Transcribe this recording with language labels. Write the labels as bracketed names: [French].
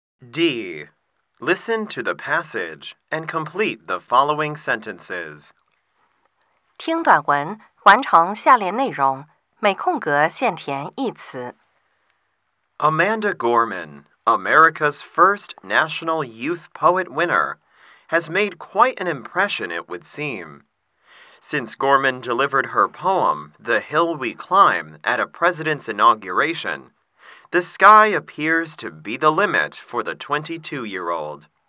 [English] D. Listen to the passage and complete the following sentences. [Chinese] 听短文，完成下列内容，每空格限填一词。 [English] Amanda Gorman, America's first National Youth Poet winner, has made quite an impression, it would seem. Since Gorman delivered her poem, The Hill We Climb, at a president's inauguration, the sky appears to be the limit for the 22-year-old.